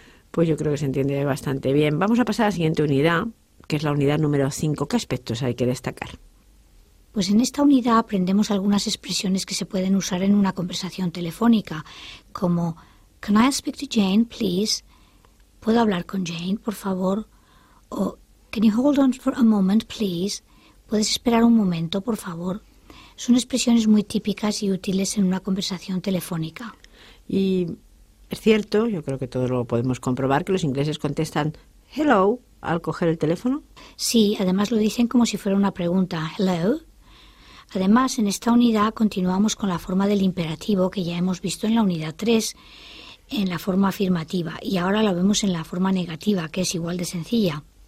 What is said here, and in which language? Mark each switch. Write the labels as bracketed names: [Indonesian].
[Spanish] Pues yo creo que se entiende bastante bien. Vamos a pasar a la siguiente unidad, que es la unidad número 5. ¿Qué aspectos hay que destacar? Pues en esta unidad aprendemos algunas expresiones que se pueden usar en una conversación telefónica, como [English] can I speak to Jane, please? [Spanish] ¿Puedo hablar con Jane, por favor? [English] O can you hold on for a moment, please? [Spanish] ¿Puedes esperar un momento, por favor? Son expresiones muy típicas y útiles en una conversación telefónica. Y es cierto, yo creo que todos lo podemos comprobar, que los ingleses contestan hello al coger el teléfono. Sí, además lo dicen como si fuera una pregunta, hello. Además, en esta unidad continuamos con la forma del imperativo que ya hemos visto en la unidad 3, en la forma afirmativa, y ahora la vemos en la forma negativa, que es igual de sencilla.